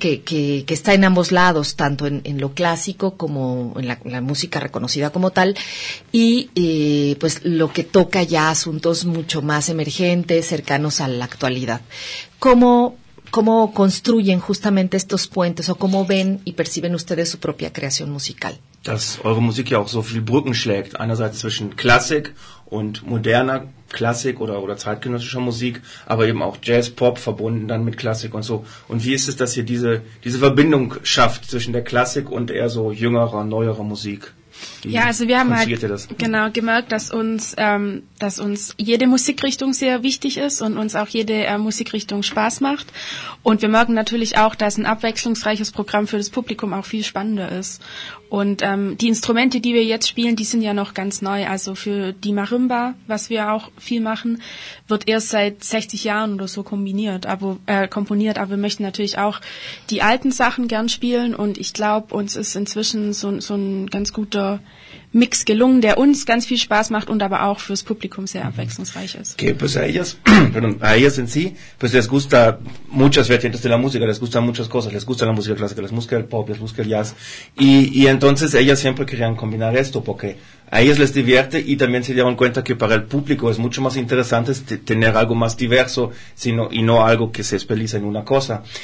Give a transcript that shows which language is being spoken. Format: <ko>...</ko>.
<es>Que está en ambos lados, tanto en lo clásico como en la música reconocida como tal, y pues lo que toca ya asuntos mucho más emergentes, cercanos a la actualidad. ¿Cómo construyen justamente estos puentes o cómo ven y perciben ustedes su propia creación musical?</es> <de>Dass eure Musik ja auch so viel Brücken schlägt, einerseits zwischen Klassik und moderner Klassik oder zeitgenössischer Musik, aber eben auch Jazz, Pop verbunden dann mit Klassik und so. Und wie ist es, dass ihr diese Verbindung schafft zwischen der Klassik und eher so jüngerer, neuerer Musik? Ja, also wir haben halt genau gemerkt, dass uns jede Musikrichtung sehr wichtig ist und uns auch jede Musikrichtung Spaß macht. Und wir merken natürlich auch, dass ein abwechslungsreiches Programm für das Publikum auch viel spannender ist. Und die Instrumente, die wir jetzt spielen, die sind ja noch ganz neu. Also für die Marimba, was wir auch viel machen, wird erst seit 60 Jahren oder so komponiert. Aber wir möchten natürlich auch die alten Sachen gern spielen. Und ich glaube, uns ist inzwischen so ein ganz guter Mix gelungen, der uns ganz viel Spaß macht und aber auch fürs Publikum sehr abwechslungsreich ist.</de> <es>Okay, pues a ellas en sí, pues les gusta muchas vertientes de la música, les gustan muchas cosas, les gusta la música clásica, les gusta el pop, les gusta el jazz, y entonces ellas siempre querían combinar esto, porque a ellas les divierte y también se dieron cuenta que para el público es mucho más interesante tener algo más diverso, sino, y no algo que se especializa en una cosa.</es>